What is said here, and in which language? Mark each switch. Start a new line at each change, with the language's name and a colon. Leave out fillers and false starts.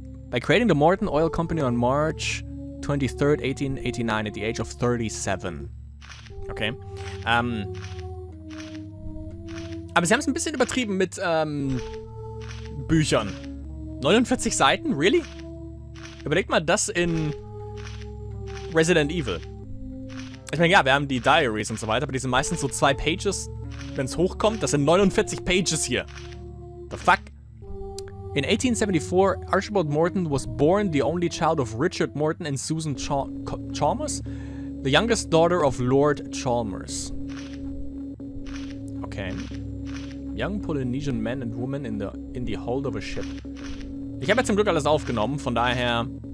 English: By creating the Morton Oil Company on March 23rd, 1889, at the age of 37. Okay.
German: Aber sie haben es ein bisschen übertrieben mit Büchern. 49 Seiten? Really? Überlegt mal das in Resident Evil. Ich meine, ja, wir haben die Diaries und so weiter, aber die sind meistens so zwei Pages, wenn es hochkommt. Das sind 49 Pages hier.
English: The fuck? In 1874, Archibald Morton was born the only child of Richard Morton and Susan Chalmers, the youngest daughter of Lord Chalmers. Okay. Young Polynesian man and woman in the hold of a ship.
German: Ich habe ja zum Glück alles aufgenommen, von daher.